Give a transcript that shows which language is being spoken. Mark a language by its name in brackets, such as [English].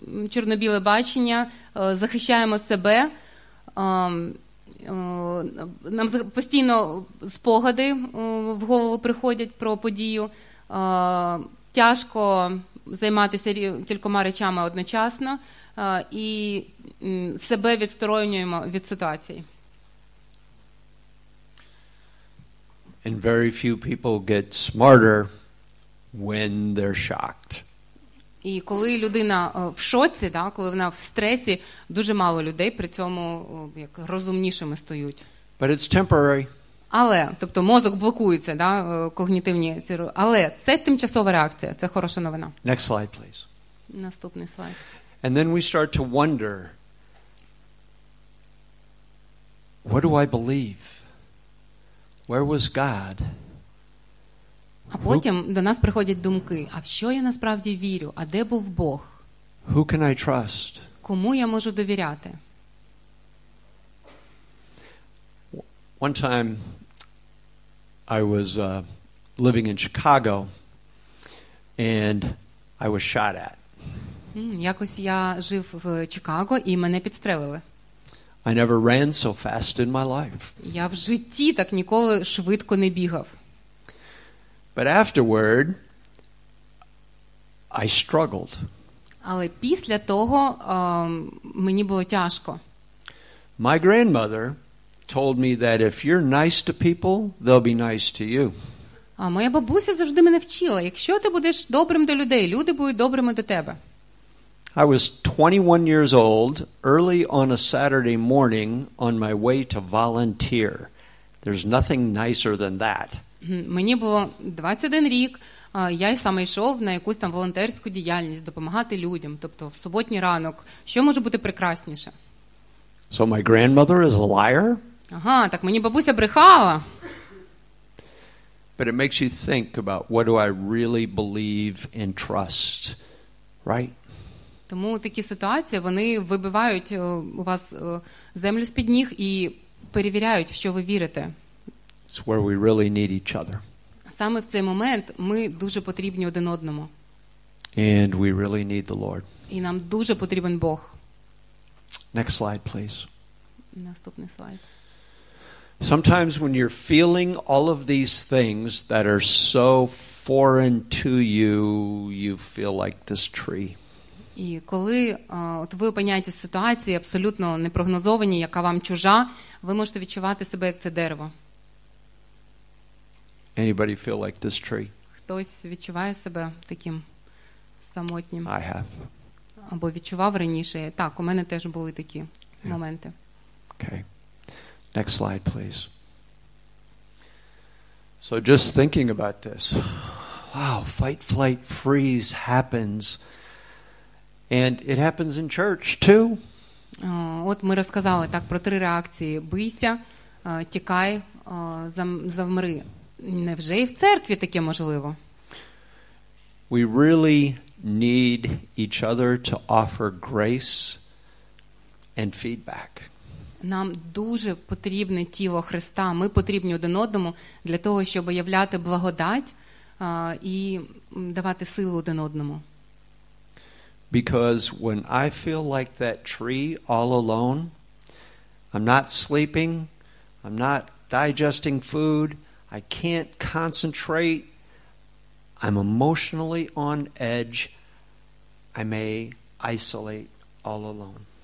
[Ukrainian] чорно-біле бачення, захищаємо себе, нам постійно спогади в голову приходять про подію, тяжко займатися кількома речами одночасно, і себе відсторонюємо від ситуації. [English] And very few people get smarter when they're shocked. [Ukrainian] І коли людина в шоці, да, коли вона в стресі, дуже мало людей при цьому як розумнішими стають. [English] But it's temporary. [Ukrainian] Але, тобто мозок блокується, да, когнітивні ці, але це тимчасова реакція, це хороша новина. [English] Next slide, please. [Ukrainian] Наступний слайд. [English] And then we start to wonder, what do I believe? Where was God? [Ukrainian] А потім до нас приходять думки: а в що я насправді вірю? А де був Бог? [English] Who can I trust? [Ukrainian] Кому я можу довіряти? [English] One time I was living in Chicago and I was shot at. [Ukrainian] Якось я жив в Чикаго і мене підстрелили. [English] I never ran so fast in my life. [Ukrainian] Я в житті так ніколи швидко не бігав. [English] But afterward I struggled. [Ukrainian] Але після того, мені було тяжко. [English] My grandmother told me that if you're nice to people, they'll be nice to you. [Ukrainian] А моя бабуся завжди мене вчила: якщо ти будеш добрим до людей, люди будуть добрими до тебе. [English] I was 21 years old, early on a Saturday morning, on my way to volunteer. There's nothing nicer than that. [Ukrainian] Мені було 21 рік, я й сам йшов на якусь там волонтерську діяльність, допомагати людям, тобто в суботній ранок. Що може бути прекрасніше? [English] So my grandmother is a liar? [Ukrainian] Ага, так мені бабуся брехала. [English] But it makes you think about what do I really believe and trust, right? [Ukrainian] Тому такі ситуації, вони вибивають у вас землю з-під ніг і перевіряють, в що ви вірите. [English] It's where we really need each other. [Ukrainian] Саме в цей момент ми дуже потрібні один одному. [English] And we really need the Lord. [Ukrainian] І нам дуже потрібен Бог. [English] Next slide, please. [Ukrainian] Наступний слайд. [English] Sometimes when you're feeling all of these things that are so foreign to you, you feel like this tree. [Ukrainian] І коли от ви опиняєтесь в ситуації абсолютно непрогнозованій, яка вам чужа, ви можете відчувати себе як це дерево. [English] Anybody feel like this tree? [Ukrainian] Хтось відчуває себе таким самотнім? [English] I have. [Ukrainian] Або відчував раніше? Так, у мене теж були такі моменти. [English] Okay. Next slide, please. So just thinking about this. Wow, fight, flight, freeze happens. And it happens in church too. [Ukrainian] От ми розказали так про три реакції: бийся, тікай, завмри. Невже і в церкві таке можливо? [English] We really need each other to offer grace and feedback. [Ukrainian] Нам дуже потрібне тіло Христа, ми потрібні один одному для того, щоб являти благодать і давати силу один одному. [English] Because when I feel like that tree all alone, I'm not sleeping, I'm not digesting food, I can't concentrate, I'm emotionally on edge, I may isolate all alone.